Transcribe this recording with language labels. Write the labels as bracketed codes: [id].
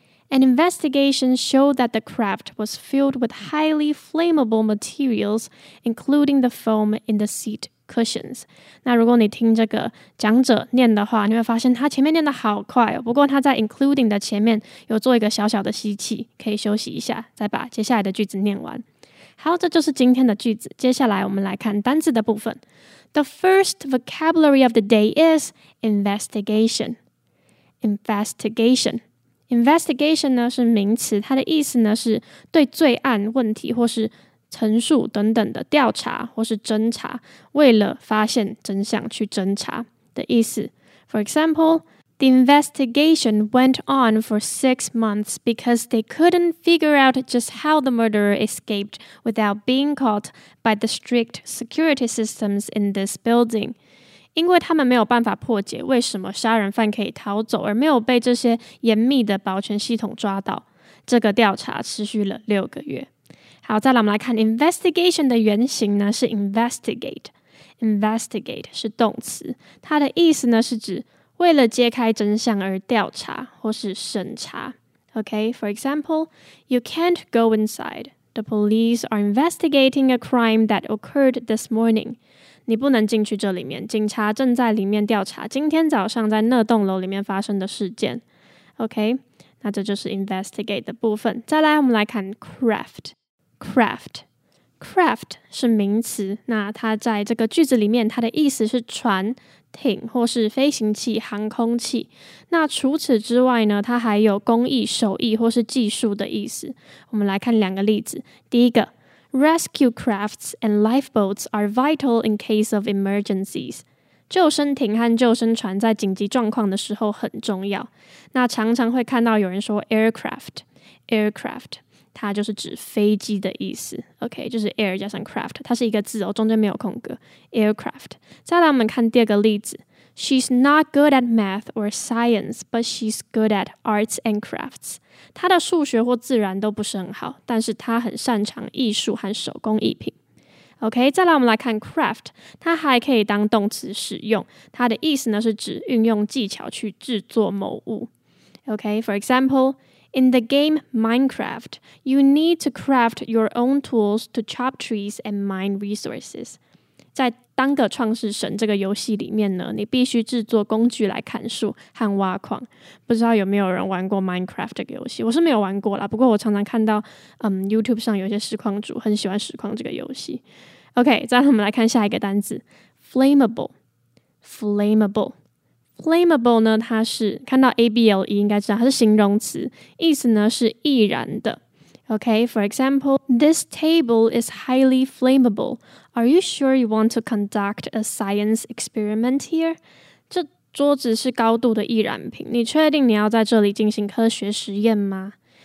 [en] An investigation showed that the craft was filled with highly flammable materials, including the foam in the seat cushions. [zh] 那如果你听这个讲者念的话，你会发现他前面念的好快哦。不过他在 including 的前面有做一个小小的吸气，可以休息一下，再把接下来的句子念完。好，这就是今天的句子。接下来我们来看单字的部分。 [en] The first vocabulary of the day is investigation. [zh] Investigation. Investigation 呢是名词，它的意思呢是对罪案问题或是陈述等等的调查或是侦查，为了发现真相去侦查的意思。 [en] For example, the investigation went on for 6 months because they couldn't figure out just how the murderer escaped without being caught by the strict security systems in this building. [zh] 因为他们没有办法破解为什么杀人犯可以逃走而没有被这些严密的保全系统抓到。这个调查持续了6个月。好，再来我们来看 investigation 的原型呢是 investigate。 Investigate 是动词，它的意思呢是指为了揭开真相而调查或是审查。 [en] Okay, for example, you can't go inside. The police are investigating a crime that occurred this morning. [zh] 你不能进去这里面，警察正在里面调查今天早上在那栋楼里面发生的事件。 Okay, 那这就是 investigate 的部分。再来我们来看 craft. [en] Craft. [zh] craft 是名词，那它在这个句子里面，它的意思是船、艇或是飞行器、航空器。那除此之外呢，它还有工艺、手艺或是技术的意思。我们来看两个例子。第一个， [en] rescue crafts and lifeboats are vital in case of emergencies。 [zh] 救生艇和救生船在紧急状况的时候很重要。那常常会看到有人说 aircraft， 它就是指飞机的意思。 OK， 就是 air 加上 craft， 它是一个字哦，中间没有空格， aircraft。再来我们看第二个例子， [en] She's not good at math or science, but she's good at arts and crafts。 [zh] 她的数学或自然都不是很好，但是她很擅长艺术和手工艺品。 OK， 再来我们来看 craft， 它还可以当动词使用，它的意思呢是指运用技巧去制作某物。 [en] OK， for example， in the game Minecraft， you need to craft your own tools to chop trees and mine resources。 [zh] 在当个创世神这个游戏里面呢，你必须制作工具来砍树和挖矿。不知道有没有人玩过 Minecraft 这个游戏，我是没有玩过啦，不过我常常看到YouTube 上有些实况主很喜欢实况这个游戏。 OK， 再来我们来看下一个单字， Flammable 呢，它是看到 A-B-L-E 应该知道它是形容词，意思呢是易燃的。 [en] OK, for example, this table is highly flammable. Are you sure you want to conduct a science experiment here? [zh] 这桌子是高度的易燃品，你确定你要在这里进行科学实验吗？